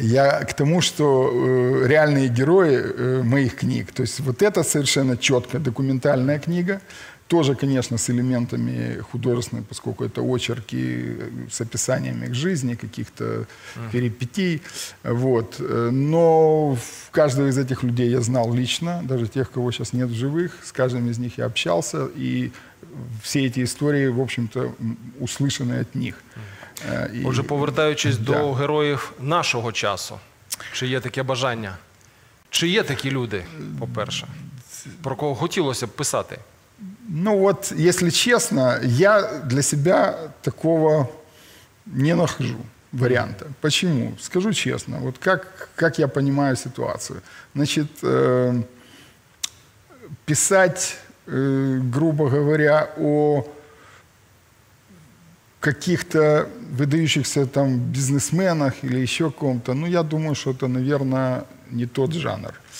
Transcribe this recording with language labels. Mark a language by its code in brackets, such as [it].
[ru] Я к тому, что реальные герои моих книг, то есть вот это совершенно четко документальная книга, тоже, конечно, с элементами художественными, поскольку это очерки с описаниями их жизни, каких-то перипетий. Вот. Но каждого из этих людей я знал лично, даже тех, кого сейчас нет в живых, с каждым из них я общался, и все эти истории, в общем-то, услышаны от них. [uk] Уже повертаючись до [ru] героев нашего [uk] часу, чи є таке бажання? Чи є такі люди, по-перше, про кого хотілося б писати? [ru] Ну вот, если честно, я для себя такого не нахожу варианта. Почему? Скажу честно, вот как я понимаю ситуацию. Значит, писать, грубо говоря, о каких-то выдающихся там бизнесменах или еще ком-то, ну я думаю, что это, наверное, не тот жанр.